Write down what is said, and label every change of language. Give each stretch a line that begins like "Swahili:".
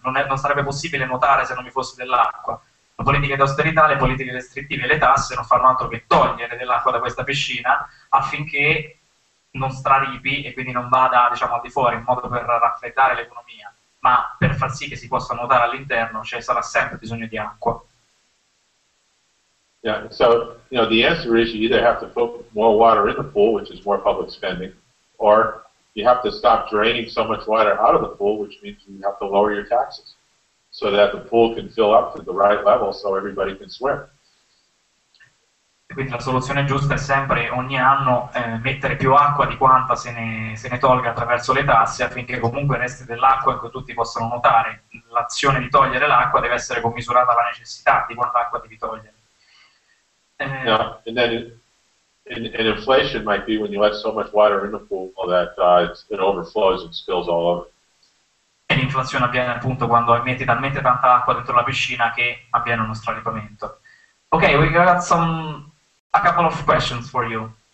Italian: Non sarebbe possibile nuotare se non vi fosse dell'acqua. Le politiche di austerità, le politiche restrittive e le tasse non fanno altro che togliere dell'acqua da questa piscina affinché non straripi e quindi non vada, diciamo, al di fuori, in modo per raffreddare l'economia. Ma per far sì che si possa nuotare all'interno, cioè, sarà sempre bisogno di acqua.
English: Yeah, so, you know, the answer is you either have to put more water in the pool, which is more public spending, or you have to stop draining so much water out of the pool, which means you have to lower your taxes so that the pool can fill up to the right level so everybody can swim.
Italian: Quindi la soluzione giusta è sempre ogni anno mettere più acqua di quanta se ne tolga attraverso le tasse affinché comunque resti dell'acqua che tutti possano nuotare. L'azione di togliere l'acqua deve essere commisurata alla necessità di quanta acqua devi togliere.
English: And inflation might be when you let so much water in the pool that it overflows and spills all over.
Italian: E l'inflazione avviene appunto quando metti talmente tanta acqua dentro la piscina che avviene uno straripamento.
English: Ok, we got a couple of questions for you.